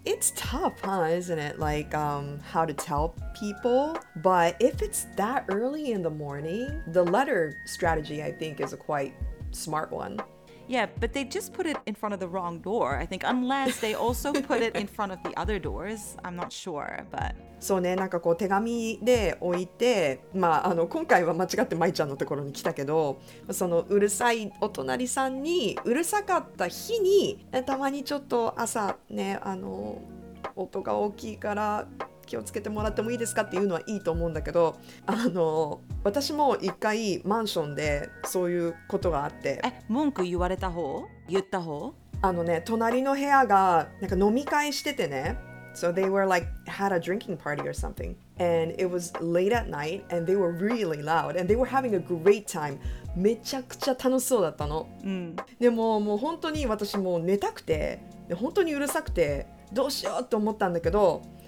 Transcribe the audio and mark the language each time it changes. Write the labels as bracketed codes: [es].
[en] It's tough, huh, isn't it? Like, how to tell people. But if it's that early in the morning, the letter strategy, I think, is a quite smart one. Yeah, but they just put it in front of the wrong door, I think, unless they also put it in front of the other doors. I'm not sure, but... [ja] そうね、なんかこう手紙で置いて、まあ、あの今回は間違ってまいちゃんのところに来たけど、そのうるさいお隣さんに、うるさかった日に、たまにちょっと朝ね、あの音が大きいから気をつけてもらってもいいですかっていうのはいいと思うんだけど、あの私も一回マンションでそういうことがあって、え、文句言われた方？言った方？あのね、隣の部屋がなんか飲み会しててね、 [en] So they were like had a drinking party or something, and it was late at night, and they were really loud, and they were having a great time. [ja] めちゃくちゃ楽しそうだったの。うん。でももう本当に私もう寝たくて、本当にうるさくてどうしようと思ったんだけど。